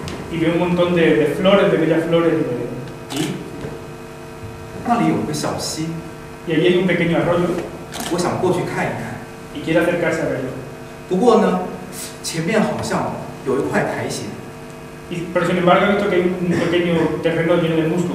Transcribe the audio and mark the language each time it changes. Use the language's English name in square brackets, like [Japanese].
[Spanish] Y veo un montón de flores, de bellas flores. [Chinese] 咦，那里有个小溪。 [Spanish] Y allí hay un pequeño arroyo. [Chinese] 我想过去看一看。 [Spanish] Y quiere acercarse a verlo. [Chinese] 不过呢，前面好像有一块苔藓。 [Spanish] Pero sin embargo, he visto que hay un pequeño terreno lleno de musgo.